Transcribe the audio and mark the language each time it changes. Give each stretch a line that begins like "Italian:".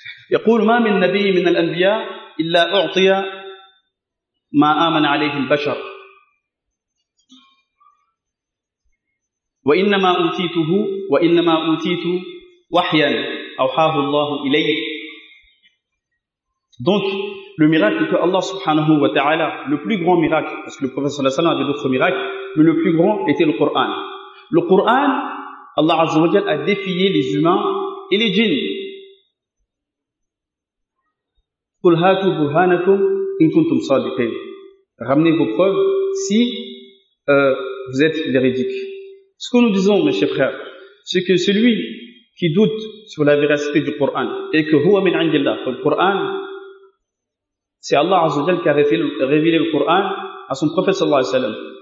Arabic: يقول ما من نبي من الأنبياء إلا أعطي ما آمن عليه البشر وإنما أوتيته وإنما أوتيت وحيا أوحاه الله إلي.
French: Donc le miracle que Allah subhanahu wa ta'ala, le plus grand miracle, parce que le prophète sallallahu alayhi wa sallam avait d'autres miracles, mais le plus grand était le Coran. Le Coran, Allah azza wa jalla a défié les humains et les djinns.
Arabic: قل هاتوا برهانكم إن كنتم صادقين.
French: Ramenez vos preuves si vous êtes véridiques. Ce que nous disons, mes chers frères, c'est que celui qui doute sur la véracité du Coran et que
Arabic: هو من عند الله,
French: le Coran, c'est Allah عز وجل qui a révélé le Coran à son prophète صلى الله عليه وسلم.